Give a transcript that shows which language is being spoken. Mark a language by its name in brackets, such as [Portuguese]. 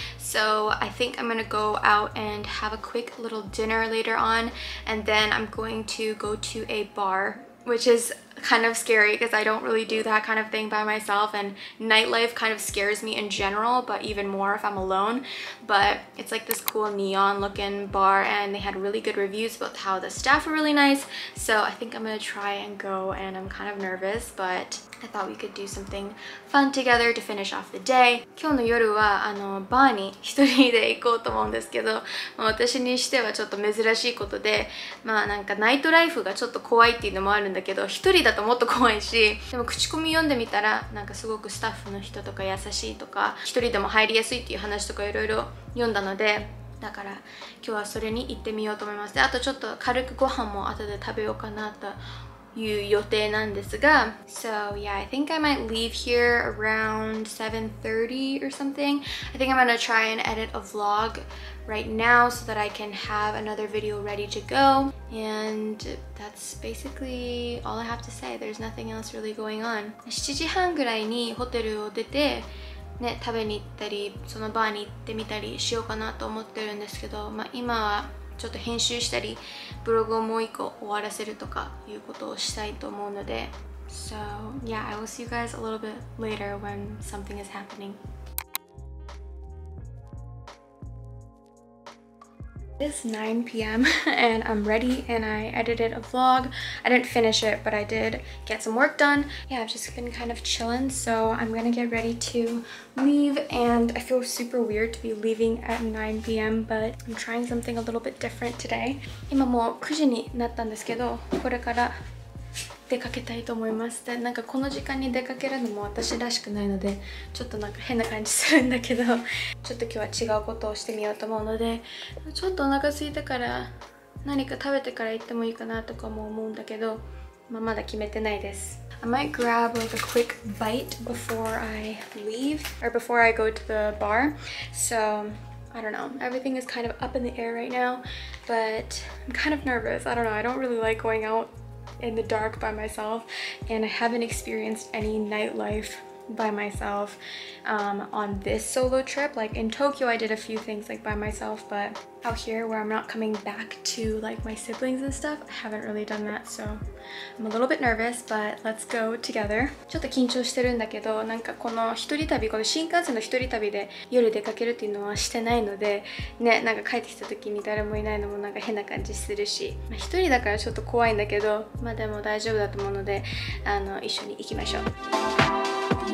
[English] So I think I'm going to go out and have a quick little dinner later on, and then I'm going to go to a bar, which is kind of scary because I don't really do that kind of thing by myself, and nightlife kind of scares me in general, but even more if I'm alone. But it's like this cool neon looking bar, and they had really good reviews about how the staff were really nice. So I think I'm gonna try and go, and I'm kind of nervous, but I thought we could do something fun together to finish off the day. [Japanese] 今日の夜はあのバーに一人で行こうと思うんですけど、まあ、私にしてはちょっと珍しいことで、まあなんかナイトライフがちょっと怖いっていうのもあるんだけど、一人だともっと怖いし、でも口コミ読んでみたら、なんかすごくスタッフの人とか優しいとか、一人でも入りやすいっていう話とかいろいろ読んだので、だから今日はそれに行ってみようと思います。で、あとちょっと軽くご飯も後で食べようかなと。 [English] So yeah, I think I might leave here around 7:30 or something. I think I'm gonna try and edit a vlog right now so that I can have another video ready to go. And that's basically all I have to say. There's nothing else really going on. [Japanese] 7時半ぐらいにホテルを出て、ね、食べに行ったり、そのバーに行ってみたりしようかなと思ってるんですけど、まあ、今はちょっと編集したり、ブログをもう一個終わらせるとかいうことをしたいと思うので。 [English] So, yeah, I will see you guys a little bit later when something is happening. It's 9 p.m. and I'm ready and I edited a vlog. I didn't finish it, but I did get some work done. Yeah, I've just been kind of chilling, so I'm gonna get ready to leave. And I feel super weird to be leaving at 9 p.m., but I'm trying something a little bit different today. [Japanese] 今もう9時になったんですけど、これから出かけたいと思います。で、なんかこの時間に出かけるのも私らしくないので、ちょっとなんか変な感じするんだけど、ちょっと今日は違うことをしてみようと思うので、ちょっとお腹空いたから何か食べてから行ってもいいかなとかも思うんだけど、まあ、まだ決めてないです。 [English] I might grab like a quick bite before I leave or before I go to the bar. So I don't know. Everything is kind of up in the air right now, but I'm kind of nervous. I don't know. I don't really like going out. In the dark by myself, and I haven't experienced any nightlife by myself、on this solo trip. Like in Tokyo, I did a few things like by myself, but out here where I'm not coming back to like my siblings and stuff, I haven't really done that. So I'm a little bit nervous, but let's go together. [Japanese] ちょっと緊張してるんだけど、なんかこの一人旅、この新幹線の一人旅で夜出かけるっていうのはしてないので、ね、なんか帰ってきた時に誰もいないのもなんか変な感じするし、まあ、一人だからちょっと怖いんだけど、まあでも大丈夫だと思うので、一緒に行きましょう。